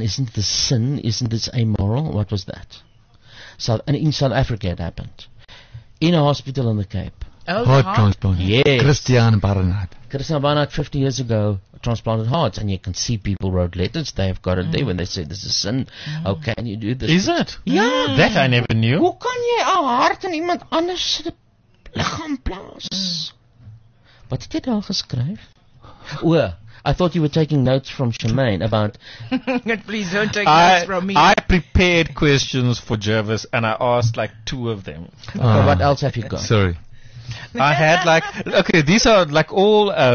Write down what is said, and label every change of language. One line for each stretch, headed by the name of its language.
English: Isn't this sin? Isn't this amoral? What was that? So, and in South Africa it happened. In a hospital in the Cape. Oh, heart transplant. Yes. Christian Barnard. Christian Barnard, 50 years ago, transplanted hearts. And you can see people wrote letters. They have got it there when they say this is sin. Mm. Oh, can you do this? Is it? Yeah. That I never knew.
Afrikaans: Hoe kan jy 'n hart in iemand anders se liggaam plaas? Wat het jy daar geskryf?
English: I thought you were taking notes from Charmaine about... Please don't take notes from me. I prepared questions for Jervis, and I asked like two of them. Well, what else have you got? Sorry. I had like... Okay, these are like all...